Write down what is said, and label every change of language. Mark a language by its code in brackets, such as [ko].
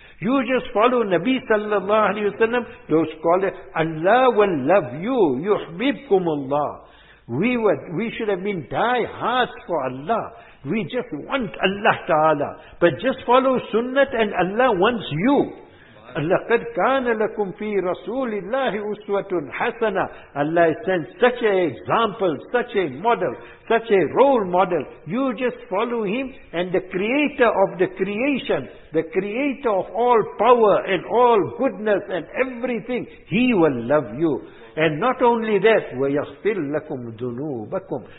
[en] You just follow Nabi sallallahu alayhi wa sallam, those qualities. Allah will love you. Yuhbibkum Allah. We should have been die-hard for Allah. We just want Allah Ta'ala. But just follow Sunnah and Allah wants you. [ar] Allah قَدْ كَانَ لَكُمْ فِي رَسُولِ اللَّهِ أُسْوَةٌ حَسَنًا. [en] Allah has sent such an example, such a model, such a role model. You just follow Him and the Creator of the creation, the Creator of all power and all goodness and everything, He will love you. And not only that, [ar] وَيَغْفِرْ لَكُمْ ذُنُوبَكُمْ.